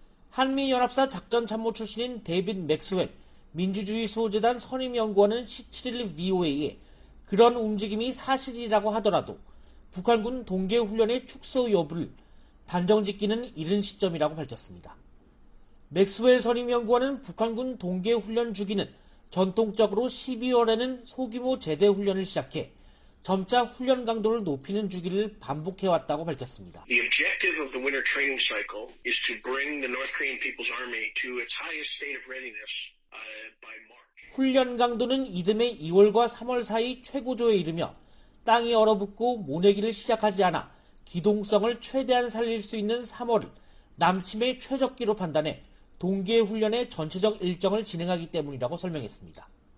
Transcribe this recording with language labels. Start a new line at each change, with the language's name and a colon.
Korean: 한미연합사 작전참모 출신인 데빈 맥스웰, 민주주의 수호재단 선임연구원은 17일 VOA에 그런 움직임이 사실이라고 하더라도 북한군 동계훈련의 축소 여부를 단정짓기는 이른 시점이라고 밝혔습니다. 맥스웰 선임연구원은 북한군 동계훈련 주기는 전통적으로 12월에는 소규모 제대 훈련을 시작해 점차 훈련 강도를 높이는 주기를 반복해왔다고 밝혔습니다.
English: The objective of the winter training cycle is to bring the North Korean People's Army to its highest state of readiness by March.
Korean: 훈련 강도는 이듬해 2월과 3월 사이 최고조에 이르며 땅이 얼어붙고 모내기를 시작하지 않아 기동성을 최대한 살릴 수 있는 3월을 남침의 최적기로 판단해 동계훈련의 전체적 일정을 진행하기 때문이라고 설명했습니다.